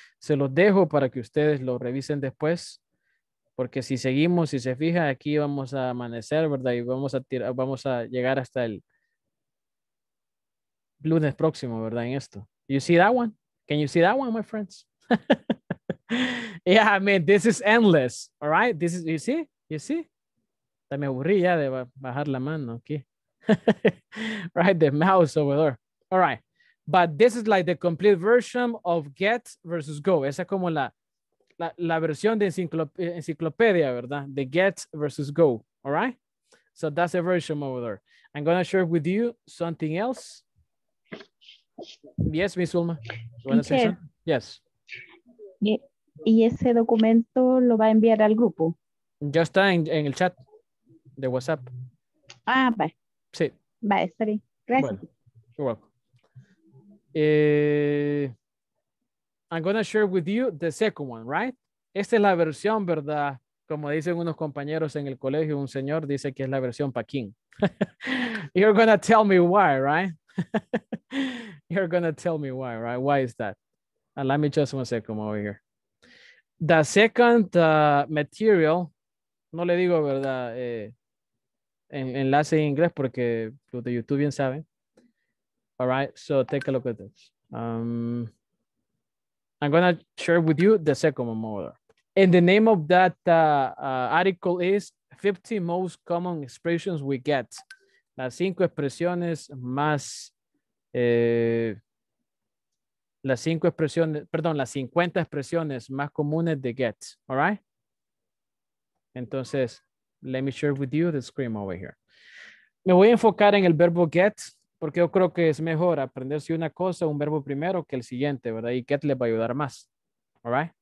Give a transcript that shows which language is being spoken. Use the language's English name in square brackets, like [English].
[Spanish] Se los dejo para que ustedes lo revisen después. Porque si seguimos, si se fija, aquí vamos a amanecer, ¿verdad? Y vamos a llegar hasta el lunes próximo, ¿verdad? En esto. [English] You see that one? Can you see that one, my friends? Yeah, I mean, this is endless. All right? This is, you see? You see? [Spanish] Me aburrí ya de bajar la mano aquí. [English] Right? The mouse over there. All right. But this is like the complete version of get versus go. [Spanish] Esa es como la versión de enciclopedia, ¿verdad? [English] The get versus go, all right? So that's a version over there. I'm going to share with you something else. Yes, Miss Ulma. Yes. [Spanish] ¿Y ese documento lo va a enviar al grupo? Ya está en el chat de WhatsApp. [English] Ah, bye. [Spanish] Sí. [English] Bye, sorry. [Spanish] Gracias. Bueno, [English] you're welcome. I'm going to share with you the second one, right? [Spanish] Esta es la versión, ¿verdad? Como dicen unos compañeros en el colegio, un señor dice que es la versión Paquín. [English] You're going to tell me why, right? You're going to tell me why, right? Why is that? And let me just one second over here. The second material, [Spanish] no le digo, ¿verdad? Enlace en inglés porque los de YouTube bien saben. [English] All right, so take a look at this. I'm going to share with you the second one over there. And the name of that article is 50 most common expressions we get. [Spanish] Las cinco expresiones más, las cinco expresiones, perdón, las 50 expresiones más comunes de get, [English] all right? [Spanish] Entonces, [English] let me share with you the screen over here. [Spanish] Me voy a enfocar en el verbo get, porque yo creo que es mejor aprenderse una cosa, un verbo primero que el siguiente, ¿verdad? Y get le va a ayudar más, [English] all right?